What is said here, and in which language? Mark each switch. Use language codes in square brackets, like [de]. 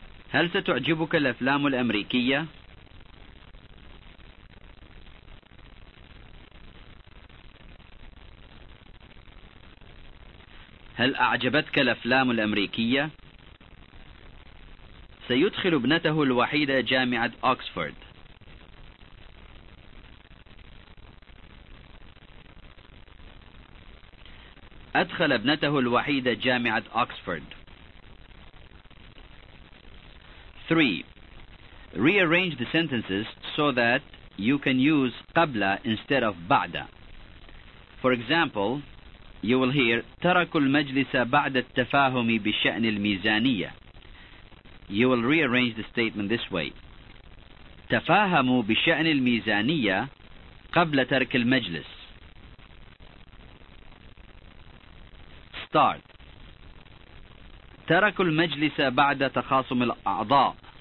[ar] هل ستعجبك الأفلام الأمريكية؟ هل أعجبتك الأفلام الأمريكية؟ سيدخل ابنته الوحيدة جامعة أكسفورد. أدخل ابنته الوحيدة جامعة أكسفورد. [en] 3. Rearrange the sentences so that you can use قبل instead of بعد. For example, you will hear [ar] تركوا المجلس بعد التفاهم بشأن الميزانية. [en] You will rearrange the statement this way. [ar] تفاهموا بشأن الميزانية قبل ترك المجلس. [en] Start. [ar] تركوا المجلس بعد تخاصم الأعضاء.